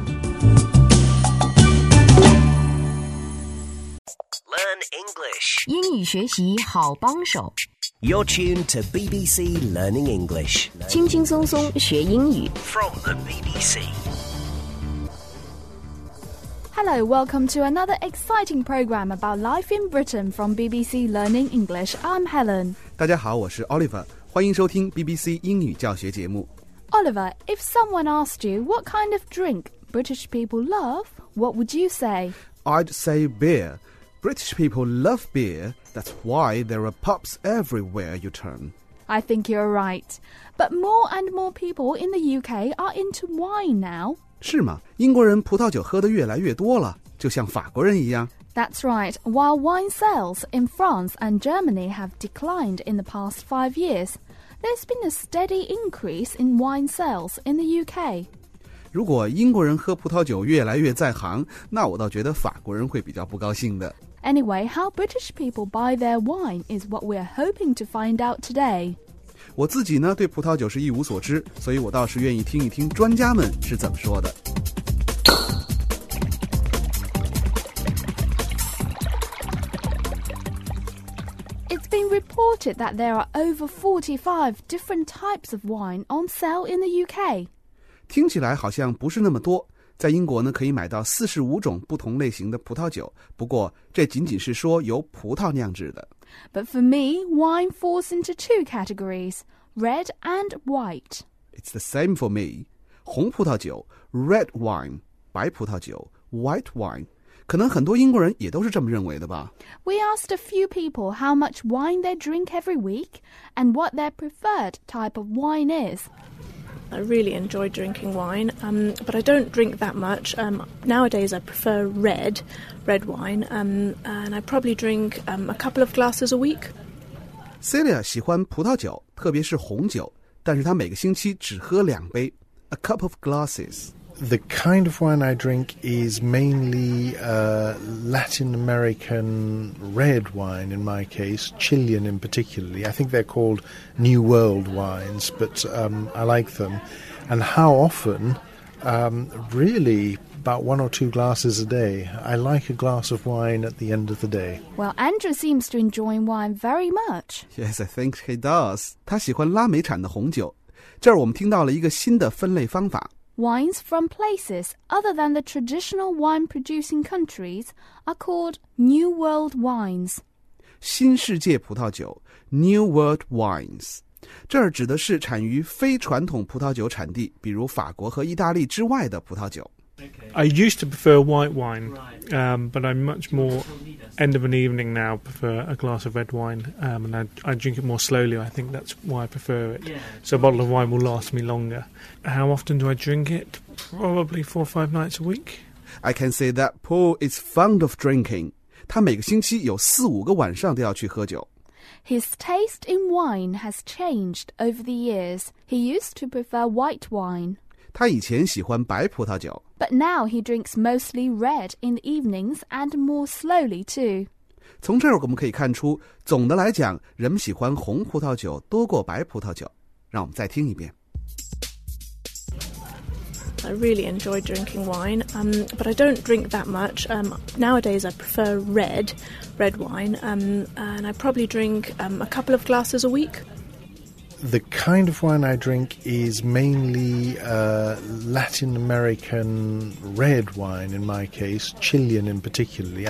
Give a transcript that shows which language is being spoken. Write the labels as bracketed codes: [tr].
[en] Learn English [zh] 英语学习好帮手。 [en] You're tuned to BBC Learning English. [zh] 轻轻松松学英语。 [en] From the BBC. Hello, welcome to another exciting program about life in Britain from BBC Learning English. I'm Helen. [zh] 大家好，我是 Oliver. 欢迎收听 BBC 英语教学节目。 [en] Oliver, if someone asked you what kind of drink British people love, what would you say? I'd say beer. British people love beer. That's why there are pubs everywhere you turn. I think you're right. But more and more people in the UK are into wine now. [zh] 是吗？英国人葡萄酒喝得越来越多了，就像法国人一样。 [en] That's right. While wine sales in France and Germany have declined in the past 5 years, there's been a steady increase in wine sales in the UK. [zh] 如果英国人喝葡萄酒越来越在行，那我倒觉得法国人会比较不高兴的。 [en] Anyway, how British people buy their wine is what we're hoping to find out today. [zh] 我自己呢，对葡萄酒是一无所知，所以我倒是愿意听一听专家们是怎么说的。 [en] It's been reported that there are over 45 different types of wine on sale in the UK. [zh] 听起来好像不是那么多。在英国呢，可以买到45种不同类型的葡萄酒，不过这仅仅是说由葡萄酿制的。 [en] But for me, wine falls into two categories, red and white. It's the same for me. [zh] 红葡萄酒 [en] red wine, [zh] 白葡萄酒 [en] white wine. [zh] 可能很多英国人也都是这么认为的吧。 [en] We asked a few people how much wine they drink every week and what their preferred type of wine is. I really enjoy drinking wine, but I don't drink that much. Nowadays, I prefer red wine, and I probably drink a couple of glasses a week. [zh] Celia 喜欢葡萄酒，特别是红酒，但是她每个星期只喝两杯 ， [en] a cup of glasses. The kind of wine I drink is mainly Latin American red wine, in my case, Chilean in particular. I think they're called New World wines, but I like them. And how often? Really, about one or two glasses a day. I like a glass of wine at the end of the day. Well, Andrew seems to enjoy wine very much. Yes, I think he does. [zh] 他喜欢拉美产的红酒。这儿我们听到了一个新的分类方法。 [en] Wines from places other than the traditional wine-producing countries are called New World Wines. [zh] 新世界葡萄酒 [en] New World Wines. [zh] 这儿指的是产于非传统葡萄酒产地，比如法国和意大利之外的葡萄酒。 [en] I used to prefer white wine, but I'm much more end of an evening now prefer a glass of red wine, and I drink it more slowly. I think that's why I prefer it. So a bottle of wine will last me longer. How often do I drink it? Probably 4 or 5 nights a week. I can say that Paul is fond of drinking. [zh] 他每个星期有4-5个晚上都要去喝酒。 [en] His taste in wine has changed over the years. He used to prefer white wine. [zh] 他以前喜欢白葡萄酒。 [en] But now he drinks mostly red in the evenings and more slowly too. [zh] 从这儿我们可以看出，总的来讲，人们喜欢红葡萄酒多过白葡萄酒。让我们再听一遍。 [en] I really enjoy drinking wine, but I don't drink that much. Nowadays I prefer red wine, and I probably drink a couple of glasses a week. The kind of wine I drink is mainly Latin American red wine, in my case, Chilean in particular.